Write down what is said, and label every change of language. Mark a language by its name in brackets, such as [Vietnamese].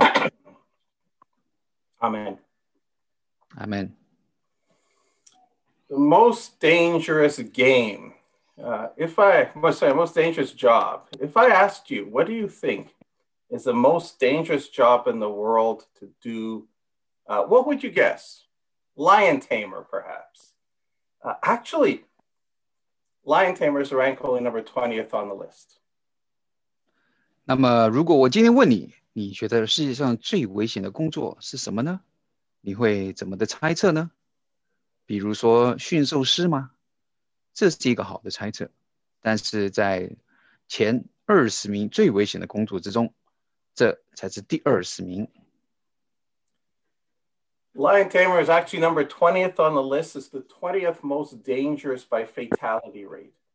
[Chinese] 希望您能让我们的心思可以打开，让我们更能了解并使用今天所讲的讯息。在奉耶稣基督的名，我们祷告。Amen. [English] Amen. The most dangerous game. Most dangerous job. If I asked you, what do you think is the most dangerous job in the world to do? What would you guess? Lion tamer, perhaps. Actually, lion tamers rank only number 20th on the list. [Chinese] 那么如果我今天问你，你觉得世界上最危险的工作是什么呢？你会怎么的猜测呢？比如说驯兽师吗？这是一个好的猜测， 但是在前20名最危险的工作之中， 这才是第20名。 [English] Lion tamer is actually number 20th on the list. It's the 20th most dangerous by fatality rate.